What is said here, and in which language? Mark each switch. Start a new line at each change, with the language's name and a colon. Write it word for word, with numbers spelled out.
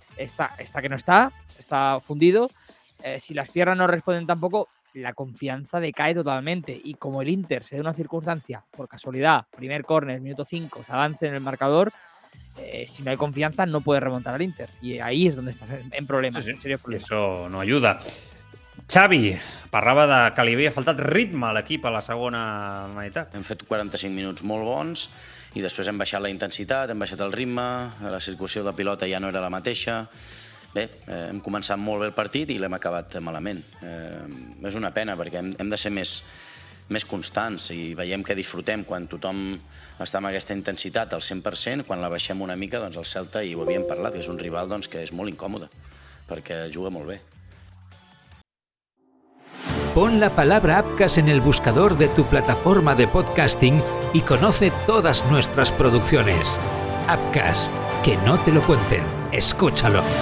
Spanish: Está, está que no está, está fundido. Eh, si las piernas no responden tampoco, la confianza decae totalmente. Y como el Inter se da una circunstancia, por casualidad, primer córner, minuto cinco, se avance en el marcador... Eh, si no hay confianza no puede remontar al Inter, y ahí es donde estás en problemes, sí, sí. en serios problemes. Eso no ayuda.
Catalan: Xavi, parlava de que li havia faltat ritme a l'equip a la segona meitat. Hem fet quaranta-cinc minuts molt bons i després hem baixat la intensitat, hem baixat el ritme, la circulació de pilota ja no era la mateixa. Bé, eh, hem començat molt bé el partit i l'hem acabat malament. Eh, és una pena perquè hem, hem de ser més més constants i veiem que disfrutem quan tothom està amb aquesta intensitat al cent per cent, quan la baixem una mica, doncs el Celta, i ho havíem parlat, que és un rival doncs, que és molt incòmode, perquè juga molt bé.
Spanish: Pon la palabra Apcas en el buscador de tu plataforma de podcasting y conoce todas nuestras producciones. Apcas, que no te lo cuenten, escúchalo.